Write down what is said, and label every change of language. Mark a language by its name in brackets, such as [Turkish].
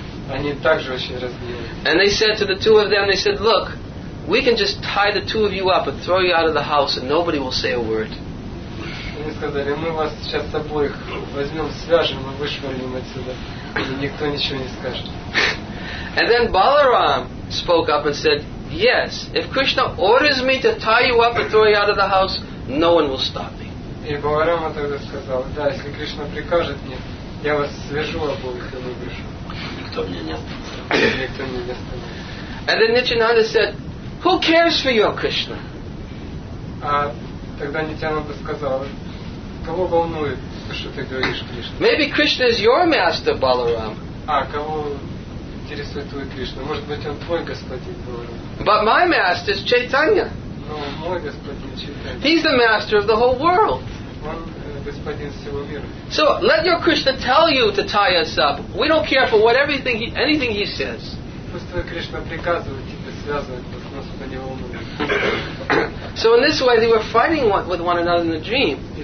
[English] And they said to the two of them, they said, look, we can just tie the two of you up and throw you out of the house and nobody will say a word. [Russian] Они сказали, мы вас сейчас с обоих возьмем, свяжем и вышвырнем отсюда, и никто ничего не скажет. [English] And then Balaram spoke up and said, yes, if Krishna orders me to tie you up and throw you out of the house, no one will stop me. [Russian] И Баларама тогда сказал, да, если Кришна прикажет мне, я вас свяжу обоих и выброшу. Никто меня не остановит. [English] And then Nityananda said, who cares for you, Krishna? [Russian] Тогда Нитянанда сказал, кого волнует, что ты говоришь, Кришна? [English] Maybe Krishna is your master, Balaram. [Russian] А кого интересует твой Кришна? Может быть, он твой господин, Баларама. [English] But my master is Chaitanya. [Russian] Но мой господин Чайтанья. [English] He's the master of the whole world. [Russian] Он господин всего мира. [English] So let your Krishna tell you to tie us up. We don't care for whatever anything he says. [Russian] Пусть твой Кришна приказывает тебе связывать нас, нас по него волнует. [English] So in this way they were fighting with one another in the dream.